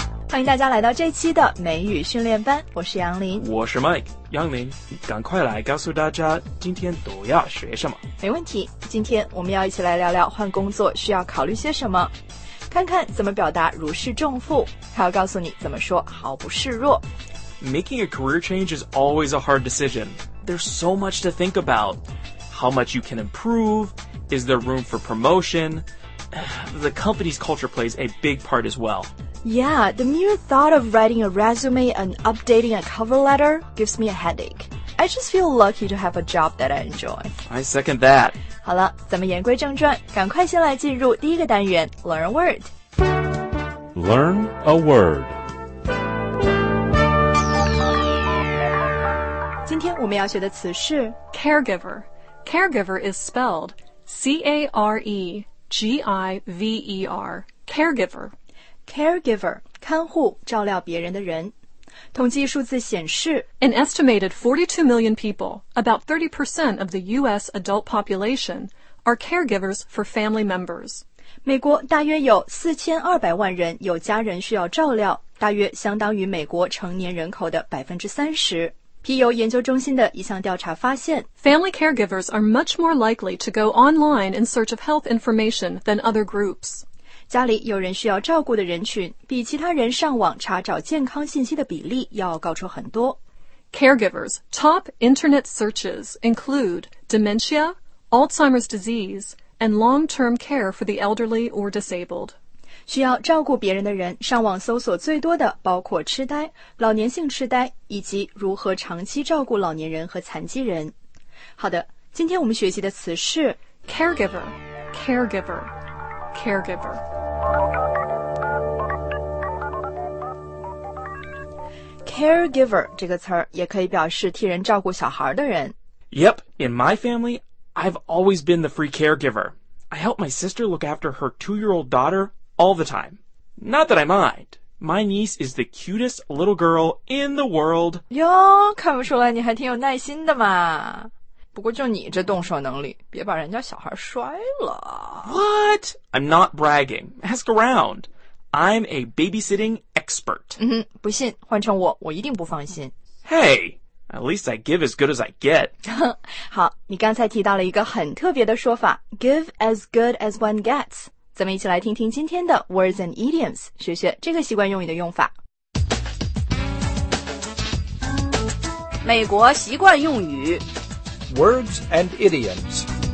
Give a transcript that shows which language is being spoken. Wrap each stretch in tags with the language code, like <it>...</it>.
<zh>欢迎大家来到这期的美语训练班，我是杨林，我是 Mike。杨林，赶快来告诉大家今天都要学什么。没问题，今天我们要一起来聊聊换工作需要考虑些什么，看看怎么表达如释重负，还要告诉你怎么说毫不示弱。</zh> <en>Making a career change is always a hard decision. There's so much to think about. How much you can improve? Is there room for promotion? The company's culture plays a big part as well. Yeah, the mere thought of writing a resume and updating a cover letter gives me a headache. I just feel lucky to have a job that I enjoy. I second that.</en> <zh>好了，咱们言归正传，赶快先来进入第一个单元</zh> <en>Learn a Word. Learn a Word.</en> <zh>今天我们要学的词是</zh> <en>Caregiver. Caregiver is spelled C-A-R-E-G-I-V-E-R. Caregiver.</en> <zh>Caregiver, 看护照料别人的人。统计数字显示</zh> <en>An estimated 42 million people, about 30% of the U.S. adult population, are caregivers for family members.</en> <zh>美国大约有4200万人有家人需要照料，大约相当于美国成年人口的 30%。皮尤研究中心的一项调查发现</zh> <en>Family caregivers are much more likely to go online in search of health information than other groups.</en> <zh>家里有人需要照顾的人群比其他人上网查找健康信息的比例要高出很多。</zh> <en>Caregivers, top internet searches include dementia, Alzheimer's disease, and long-term care for the elderly or disabled.</en> <zh>需要照顾别人的人上网搜索最多的包括痴呆、老年性痴呆以及如何长期照顾老年人和残疾人。好的，今天我们学习的词是</zh> <en>Caregiver, caregiver. Caregiver.</en> <zh>Caregiver 这个词儿也可以表示替人照顾小孩的人。</zh> <en>Yep, in my family, I've always been the free caregiver. I help my sister look after her two-year-old daughter all the time. Not that I mind. My niece is the cutest little girl in the world.</en> <zh>哟，看不出来你还挺有耐心的嘛。不过就你这动手能力，别把人家小孩摔了。</zh> <en>What? I'm not bragging. Ask around. I'm a babysitting expert.</en> <zh>嗯哼，不信，换成我，我一定不放心。</zh> <en>Hey, at least I give as good as I get.</en> <zh>好，你刚才提到了一个很特别的说法 ，</zh> <en>give as good as one gets。</en> <zh>咱们一起来听听今天的 words and idioms， 学学这个习惯用语的用法。美国习惯用语。</zh> <en>Words and idioms.</en>